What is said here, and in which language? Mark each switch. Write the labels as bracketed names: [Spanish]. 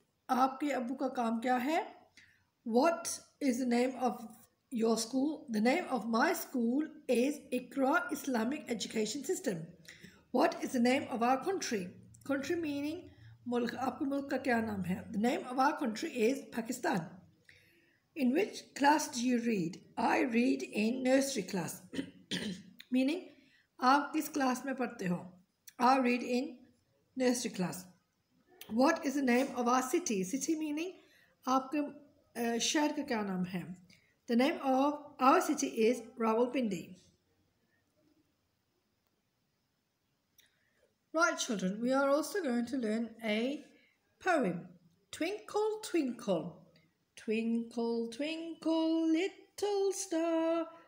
[Urdu] آپکے ابو کا کام کیا ہے؟ [English] What is the name of your school? The name of my school is ICRA, Islamic Education System. What is the name of our country? Country meaning mulk. [Urdu] آپکے ملک کا کیا نام ہے؟ [English] The name of our country is Pakistan. In which class do you read? I read in nursery class. [Urdu] Meaning, آپ کس class میں پڑھتے ہو؟ [English] I read in nursery class. What is the name of our city? City meaning [Urdu] آپکے شہر کا کیا نام ہے؟ [English] The name of our city is Rawalpindi. Right, children, we are also going to learn a poem. Twinkle, twinkle. Twinkle, twinkle, little star.